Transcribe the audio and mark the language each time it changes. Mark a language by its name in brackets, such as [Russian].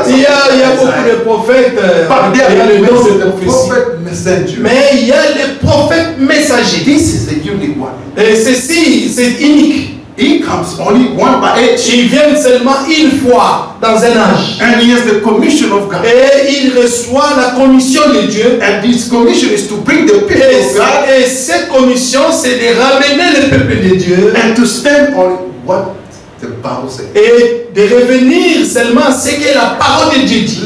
[French] Il y a beaucoup de prophètes. [English] But there are the prophet messenger. [French] Mais il y a les prophètes messagers. [English] This is the unique one. [French] Et ceci, c'est unique. [English] He comes only one by age. [French] Il vient seulement une fois dans un âge. [English] And he has the commission of God. [French] Et il reçoit la commission de Dieu. [English] And this commission is to bring the people of God. [French] Et cette commission, c'est de ramener le peuple de Dieu. [English] And to stand on what the Bible says. [French] Et de revenir seulement ce que la parole de Dieu dit.